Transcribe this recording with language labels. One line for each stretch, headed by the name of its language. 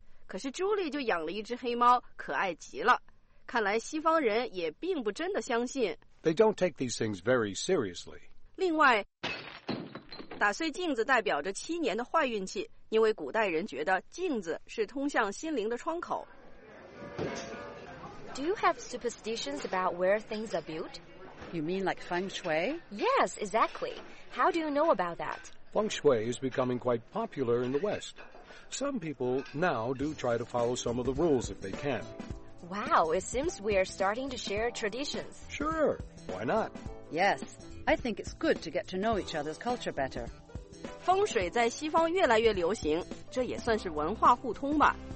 Chinese: 可是朱莉就养了一只黑猫，可爱极了。看来西方人也并不真的相信。
English: They don't take these things very seriously.
Chinese: 另外，打碎镜子代表着7年的坏运气。因为古代人觉得镜子是通向心灵的窗口。
English: Do you have superstitions about where things are built? You mean like feng shui? Yes, exactly. How do you know about that? Feng shui is becoming quite popular in the West. Some people now do try to follow some of the rules if they can. Wow, it seems we are starting to share traditions. Sure, why not? Yes, I think it's good to get to know each other's culture better.
Chinese: 风水在西方越来越流行，这也算是文化互通吧。